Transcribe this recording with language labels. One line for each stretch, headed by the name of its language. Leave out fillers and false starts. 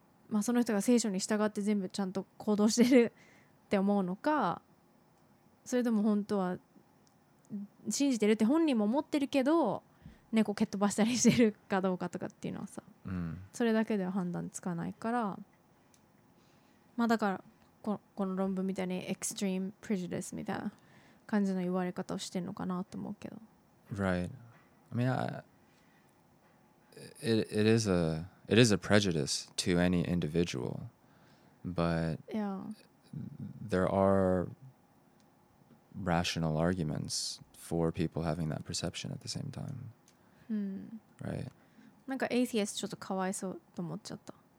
Japanese: まあその人が聖書に従って全部ちゃんと行動してるって思うのか、それとも本当は。信じてるって本人も思ってるけど猫蹴っ飛ばしたりしてるかどうかとかっていうのはさ、うん、それだけでは判断つかないから、まあだからこの論文みたいにエクストリームプレジュディスみたいな感じの言われ方をしてるのかなと思うけど。
English: Right. I mean, it is a prejudice to any individual, but yeah, there are rational arguments for people having that perception at the same time. Hmm. Right.
Japanese: なんかエイティエストちょっとかわいそうと思っちゃった。